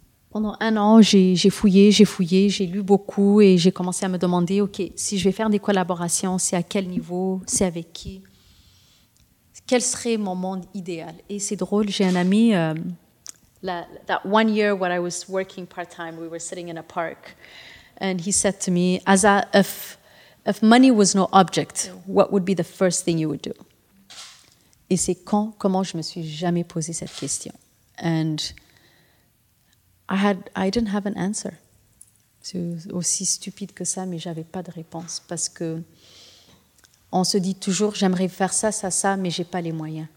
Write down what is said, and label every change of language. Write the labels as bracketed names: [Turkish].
[French] Pendant 1 an, j'ai fouillé, j'ai lu beaucoup et j'ai commencé à me demander, OK, si je vais faire des collaborations, c'est à quel niveau, c'est avec qui? Quel serait mon monde idéal? Et c'est drôle, j'ai un ami... [English] That 1 year when I was working part-time, we were sitting in a park... And he said to me, Aza, if money was no object, what would be the first thing you would do? [French] Et c'est quand, comment je me suis jamais posé cette question. [English] And I didn't have an answer. [French] C'est aussi stupide que ça, mais j'avais pas de réponse. Parce que on se dit toujours, j'aimerais faire ça, mais j'ai pas les moyens.